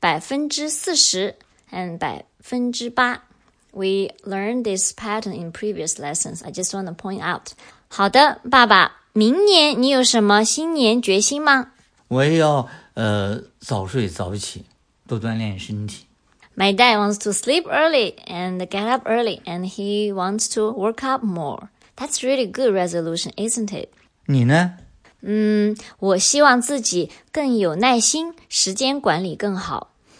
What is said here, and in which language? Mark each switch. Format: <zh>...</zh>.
<en>40% and 8%. We learned this pattern in previous lessons. I just want to point out.</en> <zh>好的，爸爸，明年你有什么新年决心吗？我也要早睡早起，多锻炼身体。</zh> <en>My dad wants to sleep early and get up early, and he wants to work out more. That's really good resolution, isn't it?</en> <zh>你呢？我希望自己更有耐心，时间管理更好。</zh>